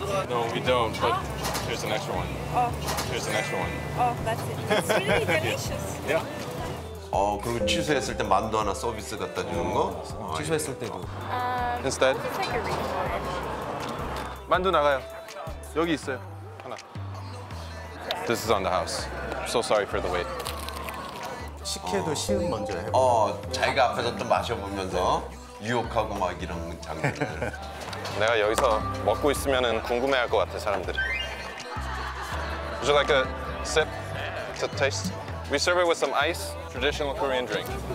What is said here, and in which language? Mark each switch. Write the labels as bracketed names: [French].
[English] No, we don't, but here's an extra one. Oh. Here's an extra one. Oh, that's it. It's really delicious. Yeah. [Korean] 어, 그리고 취소했을 때 만두 하나 서비스 갖다 주는 거? 취소했을 때도. [English] Instead? [Korean] 만두 나가요. 여기 있어요. [English] This is on the house. So sorry for the wait. [Korean] 식혜도 시음 먼저 해. 어, 자기가 앞에서 좀 마셔보면서 유혹하고 막 이런 장면. 내가 여기서 먹고 있으면은 궁금해할 것 같아 사람들이. [English] Would you like a sip to taste? We serve it with some ice, traditional Korean drink.